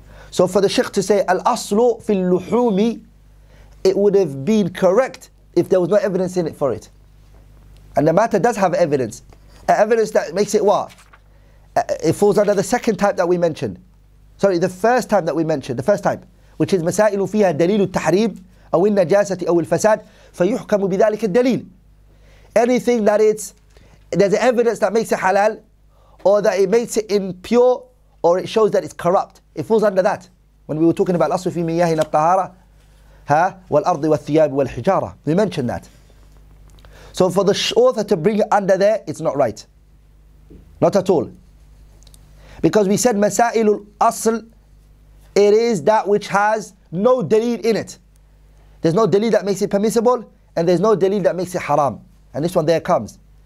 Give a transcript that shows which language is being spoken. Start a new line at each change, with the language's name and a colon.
English: So for the Sheikh to say, al-aslu fil luhumi, it would have been correct if there was no evidence in it for it. And the matter does have evidence. Evidence that makes it what? It falls under the second type that we mentioned. Sorry, the first time that we mentioned, the first type.
Arabic: Which is مسائل فيها دليل التحريم أو النجاسة أو الفساد فيحكم بذلك الدليل.
English: Anything that it's, there's evidence that makes it halal or that it makes it impure or it shows that it's corrupt. It falls under that. When we were talking about
Arabic: الأصل في مياه الطهارة والأرض والثياب والحجارة.
English: We mentioned that. So for the author to bring it under there, it's not right. Not at all. Because we said
Arabic: مسائل الأصل,
English: it is that which has no dalil in it. There's no dalil that makes it permissible, and there's no dalil that makes it haram. And this one there comes.